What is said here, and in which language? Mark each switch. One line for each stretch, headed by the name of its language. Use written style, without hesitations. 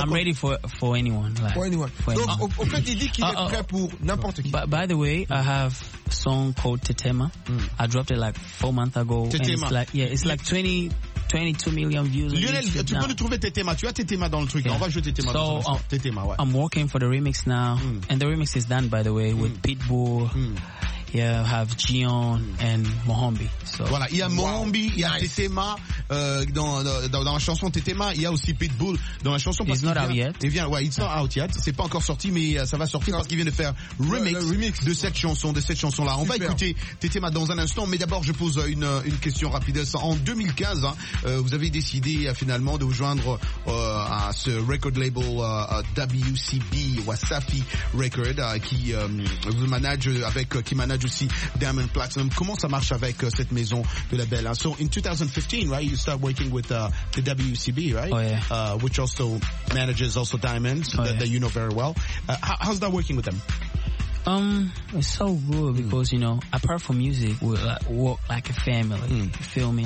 English: I'm ready for anyone, by the way, I have song called Tetema. I dropped it like 4 months ago. Tetema. And it's like 22 million views.
French: Lionel, tu peux le trouver, Tetema. Tu as Tetema dans le truc. Yeah. On va jouer Tetema.
English: So,
French: Tetema, ouais.
English: I'm working for the remix now. Mm. And the remix is done, by the way, with Pitbull. Mm. Yeah, I have Gion and Mohambi. So.
French: Voilà, il y a Mohambi, il y a Tetema dans la chanson Tetema. Il y a aussi Pitbull dans la chanson.
English: It's not out yet. It's not out yet.
French: C'est pas encore sorti, mais ça va sortir parce qu'il vient de faire remix de cette chanson, là. On va écouter Tetema dans un instant, mais d'abord je pose une question rapide. En 2015, vous avez décidé finalement de vous joindre à ce record label WCB, Wasafi Record, qui vous manage avec Kiman. Aussi Diamond Platinum. Comment ça marche avec cette maison de label?
English: So in 2015, right, you start working with the WCB, right? Oh, yeah. Which also manages Diamond, that you know very well. How's that working with them? It's so good because, you know, apart from music, we work like a family. Mm. You feel me?